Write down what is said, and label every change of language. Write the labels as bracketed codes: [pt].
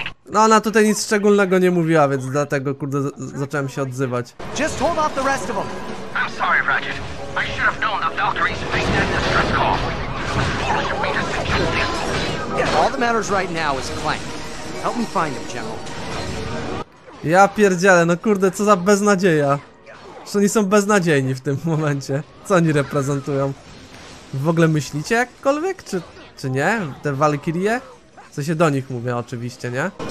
[pl] No ona tutaj nic szczególnego nie mówiła, więc dlatego, kurde, zacząłem się odzywać. [en] Just hold off the rest of them. I'm sorry, Ratchet. I should have known the Valkyries faced that distress call. Foolish of me to suggest this. All that matters right now is Clank. Help me find him, General. [pl] Ja pierdzielę, no kurde, co za beznadzieja. Że oni są beznadziejni w tym momencie. Co oni reprezentują? W ogóle myślicie jakkolwiek, czy nie? Te Valkyrie? Co się do nich mówię, oczywiście, nie?